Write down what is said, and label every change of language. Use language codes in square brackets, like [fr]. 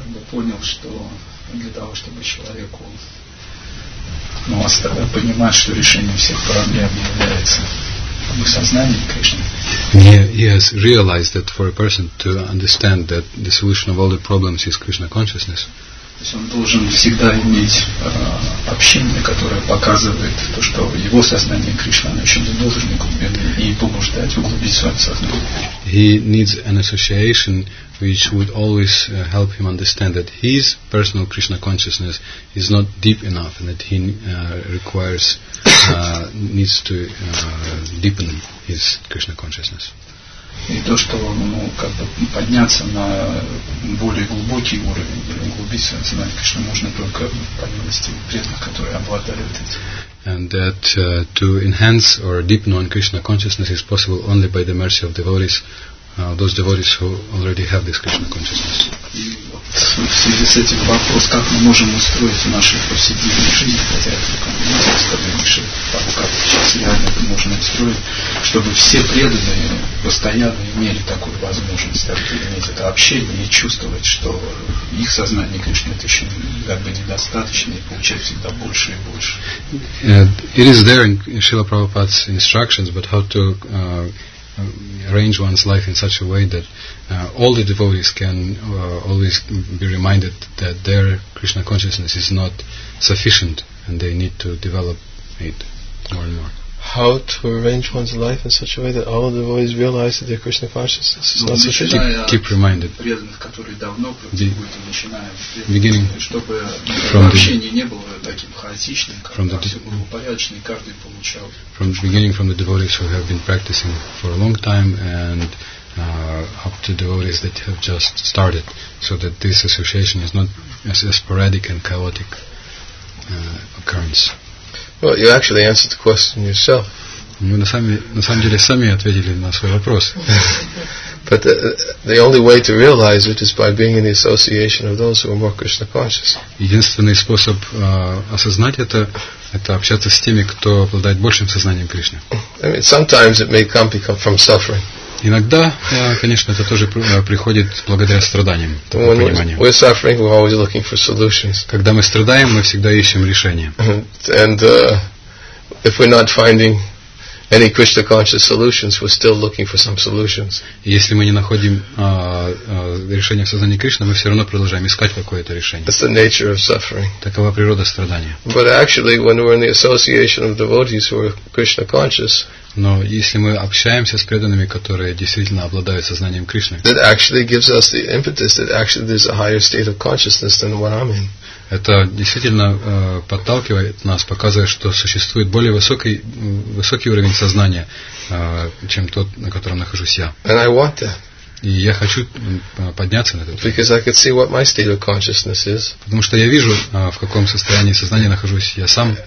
[ru] Понял, что для того, чтобы человеку понимать, что решение всех проблем является [en] He has realized that for a person to understand that the solution of all the problems is Krishna consciousness, [ru] он должен всегда иметь общение, которое показывает то, что его сознание Кришна еще не должно глубины и побуждать углубить свое сознание. [en] He needs an association which would always help him understand that his personal Krishna consciousness is not deep enough and that he requires needs to deepen his Krishna consciousness. [ru] И то, что ну, как бы подняться на более глубокий уровень или углубить свое сознание, конечно, можно только по милости преданных, которые обладают этим. [en] And that to enhance or deepen on Krishna consciousness is possible only by the mercy of devotees, those devotees who already have this Krishna consciousness. [ru] И вот в связи с этим вопрос, как мы можем устроить в нашей повседневной жизни, хотя это только у нас остальные, как сейчас реально это можно устроить, чтобы все преданные постоянно имели такую возможность, так, иметь это общение и чувствовать, что их сознание Кришны это еще как бы недостаточно и получать всегда больше и больше. [en] It is there in Srila Prabhupada's instructions, but how to arrange one's life in such a way that all the devotees can always be reminded that their Krishna consciousness is not sufficient and they need to develop it more and more. How to arrange one's life in such a way that all the devotees realize that their Krishna consciousness is not sufficient? Keep reminded. Beginning from the devotees who have been practicing for a long time and up to devotees that have just started, so that this association is not a sporadic and chaotic occurrence. Well, you actually answered the question yourself. [ru] Вы на самом деле сами ответили на свой вопрос. [en] But the only way to realize it is by being in the association of those who are more Krishna conscious. [ru] Единственный способ осознать это общаться с теми, кто обладает большим сознанием Кришны. [en] I mean, sometimes it may come from suffering. [ru] Иногда, конечно, это тоже приходит благодаря страданиям. [en] We're suffering, we're always looking for solutions. [ru] Когда мы страдаем, мы всегда ищем решения. [en] And if we're not finding any Krishna conscious solutions, we're still looking for some solutions. [ru] Если мы не находим решение в сознании Кришны, мы все равно продолжаем искать какое-то решение. [en] That's the nature of suffering. [ru] Такова природа страдания. [en] But actually, when we're in the association of devotees who are Krishna conscious, [ru] но если мы общаемся с преданными, которые действительно обладают сознанием Кришны, [en] that actually gives us the impetus that actually there's a higher state of consciousness than what I'm in. [ru] Это действительно подталкивает нас, показывает, что существует более высокий уровень сознания, чем тот, на котором нахожусь я. [en] And I want that. [ru] И я хочу подняться на этот уровень. [en] Because I could see what my state of consciousness is. [ru] Потому что я вижу, в каком состоянии сознания нахожусь я сам.